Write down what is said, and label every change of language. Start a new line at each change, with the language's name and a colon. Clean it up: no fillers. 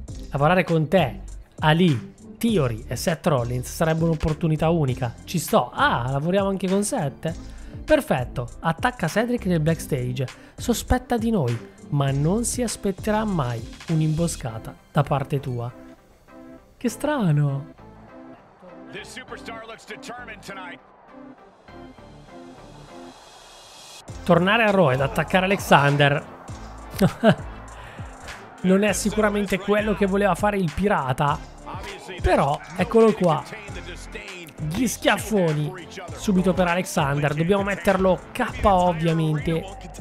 Italian: Lavorare con te, Ali, Theory e Seth Rollins sarebbe un'opportunità unica. Ci sto. Ah, lavoriamo anche con Seth? Perfetto. Attacca Cedric nel backstage. Sospetta di noi, ma non si aspetterà mai un'imboscata da parte tua. Che strano.
English: This superstar looks determined tonight.
Italian: Tornare a Raw ed attaccare Alexander non è sicuramente quello che voleva fare il pirata, però eccolo qua, gli schiaffoni subito per Alexander, dobbiamo metterlo KO ovviamente.